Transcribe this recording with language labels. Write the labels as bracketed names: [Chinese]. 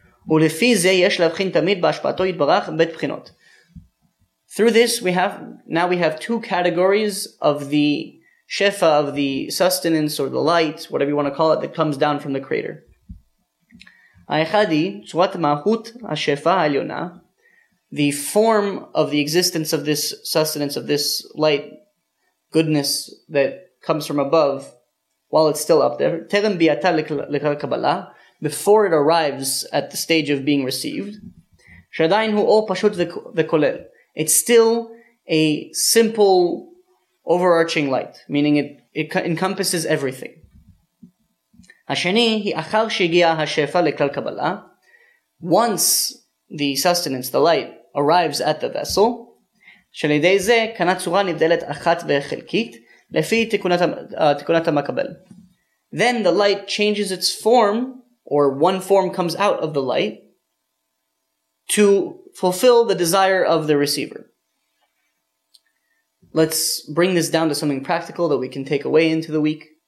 [Hebrew] ולפי זה יש להבחין תמיד בהשפעתו יתברך בית בחינות. [English] Through this, we have two categories of the shefa, of the sustenance or the light, whatever you want to call it, that comes down from the creator. [Hebrew] האחד היא צורת מהות השפה העליונה, [English] the form of the existence of this sustenance, of this light, goodness that comes from above, while it's still up there, [Hebrew] טרם ביאתה לכלל קבלה, [English] before it arrives at the stage of being received, [Hebrew] שעדיין הוא אור פשוט וכולל. [English] It's still a simple overarching light, meaning it encompasses everything. [Hebrew] השני, אחר שהגיע השפע לכלל קבלה, [English] once the sustenance, the light, arrives at the vessel, [Hebrew] שלידי זה קנה צורה נבדלת אחת וחלקית, לפי תיקונת המקבל. [English] Then the light changes its form, or one form comes out of the light, to fulfill the desire of the receiver. Let's bring this down to something practical that we can take away into the week.